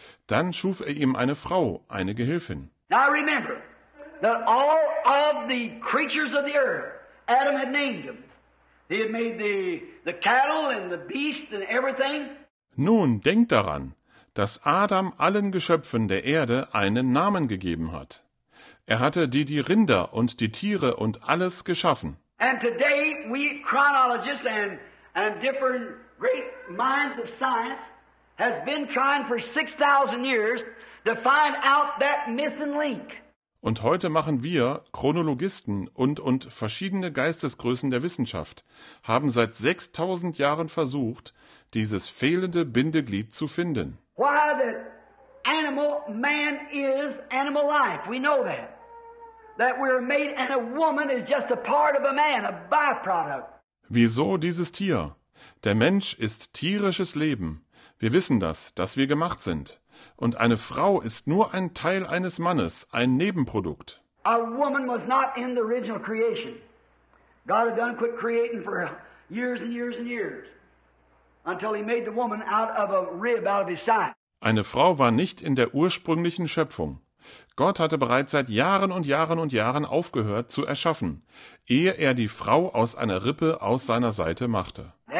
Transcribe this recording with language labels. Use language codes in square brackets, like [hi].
[de] Dann schuf er ihm eine Frau, eine Gehilfin. [en] Now remember that all of the creatures of the earth, Adam had named them. He had made the cattle and the beast and everything. [de] Nun, denkt daran, dass Adam allen Geschöpfen der Erde einen Namen gegeben hat. Er hatte die Rinder und die Tiere und alles geschaffen. [en] And today we chronologists and different great minds of science has been trying for 6,000 years to find out that missing link. [de] Und heute machen wir Chronologisten und verschiedene Geistesgrößen der Wissenschaft haben seit 6,000 Jahren versucht, dieses fehlende Bindeglied zu finden. [en] Why the animal man is animal life, we know that. That we are made and a woman is just a part of a man, a byproduct. [de] Wieso dieses Tier? Der Mensch ist tierisches Leben. Wir wissen das, dass wir gemacht sind. Und eine Frau ist nur ein Teil eines Mannes, ein Nebenprodukt. [en] A woman was not in the original creation. God had done quit creating for years and years and years. Until he made the woman out of a rib, out of his side. [de] Eine Frau war nicht in der ursprünglichen Schöpfung. Gott hatte bereits seit Jahren und Jahren und Jahren aufgehört zu erschaffen, ehe er die Frau aus einer Rippe aus seiner Seite machte.